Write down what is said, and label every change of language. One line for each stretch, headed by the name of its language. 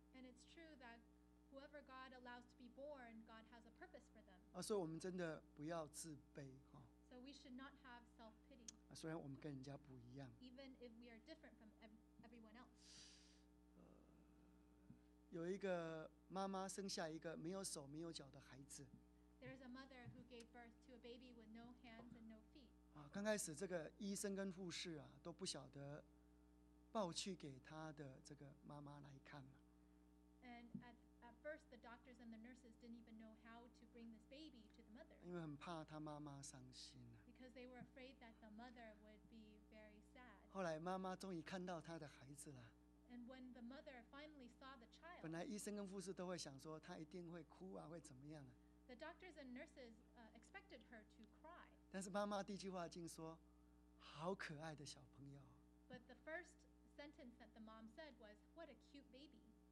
English: And it's true that whoever God allows to be born, God has a purpose for them.
Chinese: 啊，所以我们真的不要自卑啊。
English: So we should not have self-pity.
Chinese: 虽然我们跟人家不一样。
English: Even if we are different from everyone else.
Chinese: 有一个妈妈生下一个没有手没有脚的孩子。
English: There is a mother who gave birth to a baby with no hands and no feet.
Chinese: 啊，刚开始这个医生跟护士啊都不晓得抱去给他的这个妈妈来看嘛。
English: And at first, the doctors and the nurses didn't even know how to bring this baby to the mother.
Chinese: 因为很怕他妈妈伤心啊。
English: Because they were afraid that the mother would be very sad.
Chinese: 后来妈妈终于看到他的孩子了。
English: And when the mother finally saw the child.
Chinese: 本来医生跟护士都会想说他一定会哭啊，会怎么样啊。
English: The doctors and nurses expected her to cry.
Chinese: 但是妈妈第一句话竟说，好可爱的小朋友。
English: But the first sentence that the mom said was, "What a cute baby."